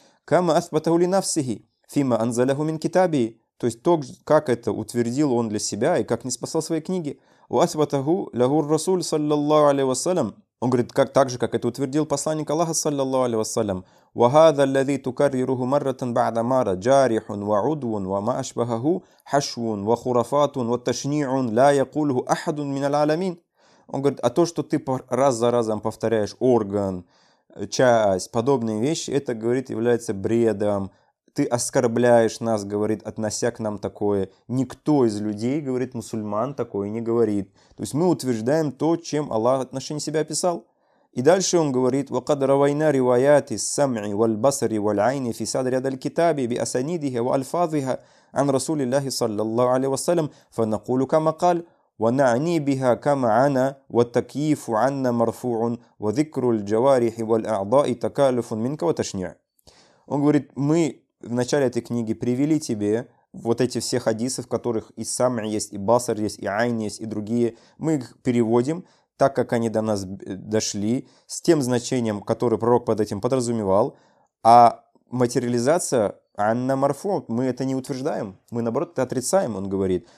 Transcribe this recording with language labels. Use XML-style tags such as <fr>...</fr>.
<ar>Кама асбатаху ли нафсихи, фима анзаляху мин китаби,</ar> <ru>то есть то, как это утвердил он для себя и как ниспослал свои книги.</ru> <ar>Асбатаху лягур расуль саллаллаху алейхи вассалям.</ar> <ru>Он говорит, как, так же, как это утвердил посланник Аллаха, саллаллаху алейхи вассалям.</ru> <ar>وهذا الذي تكرره مرة بعد مرة جارح وعدو وما أشبهه حشو وخرافات وتشنيع لا يقوله أحد من العالمين.</ar> <ru>Он говорит, а то, что ты раз за разом повторяешь орган, часть, подобные вещи, это, говорит, является бредом. Ты оскорбляешь нас, говорит, относя к нам такое. Никто из людей, говорит, мусульман такое не говорит. То есть мы утверждаем то, чем Аллах отношение себя описал. И дальше он говорит:</ru> <ar>وقد روينا روايات السمع والبصر والعين في صدر هذا الكتاب بأسانيده وألفاظها عن رسول الله صلى الله عليه وسلم فنقول كما قال ونعني بها كما عنا والتكييف عنا مرفوع وذكر الجوارح والأعضاء تكالف منك وتشنيع.</ar> <ru>Он говорит: мы в начале этой книги привели тебе вот эти все хадисы, в которых и самъ есть, и басар есть, и айн есть, и другие, мы их переводим так, как они до нас дошли, с тем значением, которое пророк под этим подразумевал, а материализация,</ru> <ar>анна марфу,</ar> <ru>мы это не утверждаем, мы, наоборот, это отрицаем, он говорит.</ru>